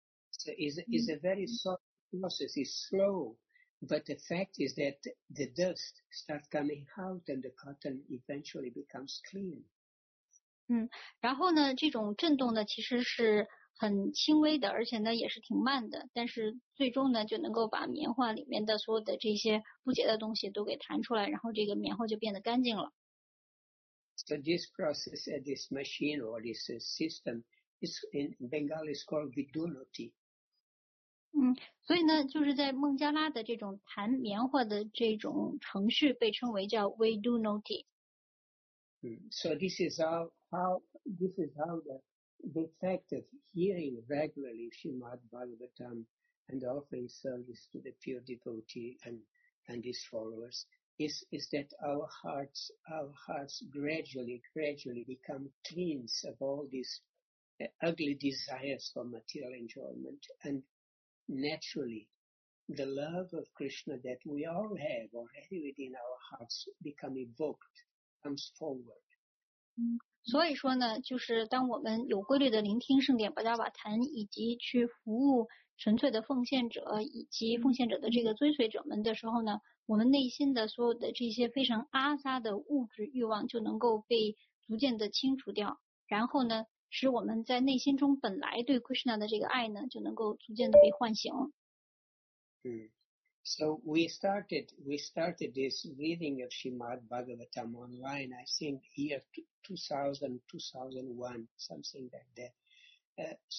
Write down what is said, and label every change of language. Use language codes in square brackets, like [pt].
[en] So it's a very soft process, it's slow, but the fact is that the dust starts coming out and the cotton eventually becomes clean. [zh] 然后呢这种震动呢其实是很轻微的，而且呢也是挺慢的，但是最终呢就能够把棉花里面的所有的这些不洁的东西都给弹出来，然后这个棉花就变得干净了。 [en] So this process, this machine or this system, is in Bengali is called vidunoti. [zh] 所以呢，就是在孟加拉的这种弹棉花的这种程序被称为叫 vidunoti. [en] So this is how the fact of hearing regularly Srimad Bhagavatam and offering service to the pure devotee and his followers is that our hearts gradually become cleansed of all these ugly desires for material enjoyment and naturally the love of Krishna that we all have already within our hearts become evoked, comes forward. [zh] 所以说呢，就是当我们有规律的聆听圣典巴达瓦坛，以及去服务纯粹的奉献者以及奉献者的这个追随者们的时候呢，我们内心的所有的这些非常阿萨的物质欲望就能够被逐渐的清除掉，然后呢，使我们在内心中本来对 Krishna 的这个爱呢，就能够逐渐的被唤醒。 [en] So we started this reading of Srimad Bhagavatam online, I think year 2000, 2001, something like that.